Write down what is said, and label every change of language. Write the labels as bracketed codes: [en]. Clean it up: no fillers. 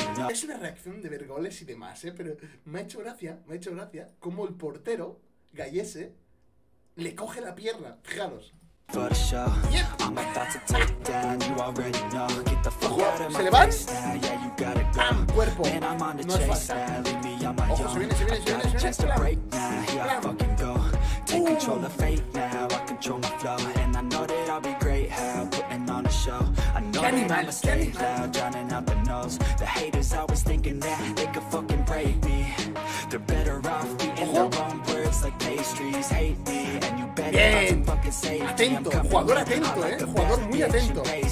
[es] Es una reacción de ver goles y demás, ¿eh? Pero me ha hecho gracia cómo el portero, Gallese, le coge la pierna, fijaros. [en] For the show, yeah. I'm about to take down, you already know. Get the fuck out of my face now, yeah, you gotta go. [es] Cuerpo. [en] And I'm on the no chase now, leave me on my own. I got a chance to break now, here I fucking go. Take control of fate now, I control my flow. And I know that I'll be great, how putting on a show. I know that I'm gonna stay loud, drowning out the nose. The haters always thinking that they could fucking break me. They're better off beating their own words like pastries. Hate me, and you better not to fucking save me. [es] Atento, jugador atento, jugador muy atento.